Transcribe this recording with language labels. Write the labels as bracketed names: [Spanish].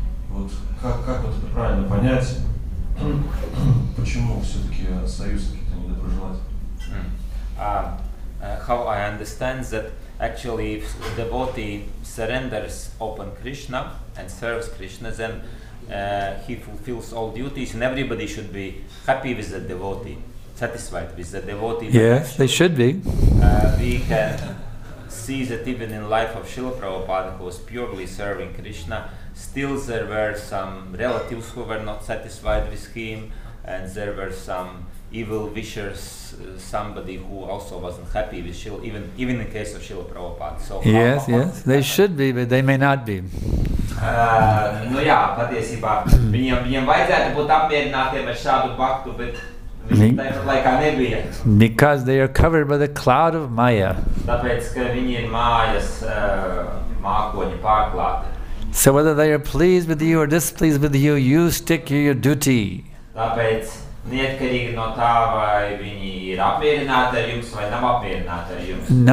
[Russian] Вот как вот это правильно понять, почему все-таки союз какие-то недоброжелатели? [English] How I understand that actually if a devotee surrenders open Krishna and serves Krishna, then he fulfills all duties and everybody should be happy with the devotee, satisfied with the devotee. Yes, actually, they should be. We can see that even in life of Srila Prabhupada, who was purely serving Krishna, still there were some relatives who were not satisfied with him, and there were some evil wishers, somebody who also wasn't happy with Srila, even in the case of Srila Prabhupada. So yes, yes, they should be, but they may not be. [Latvian] Patiesībā, viņiem vajadzētu būt apmierinātiem ar šādu baktu, bet viņi tāpat laikā nebija. [English] Because they are covered by the cloud of Maya. [Latvian] Tāpēc, ka viņi ir mājas mākoņi pārklāti. [English] So whether they are pleased with you or displeased with you, you stick to your duty. [Latvian] Tāpēc, neatkarīgi no tā, vai viņi ir apmierināti ar jums vai nav apmierināti ar jums.